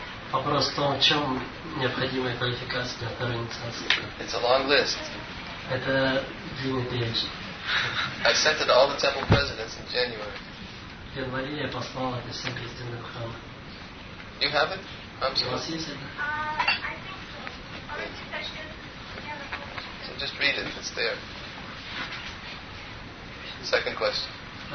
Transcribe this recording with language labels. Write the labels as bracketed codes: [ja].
[ru] Вопрос в том, в чем необходимая квалификация для второй инициации. [en] It's a long list. [ru] Это длинный перечень. [en] I sent it to all the temple presidents in January. [ru] В январе я послал это всем президентам храма. [en] You have it? I'm sorry. [ru] У вас есть это? [en] So just read it if it's there. Second question.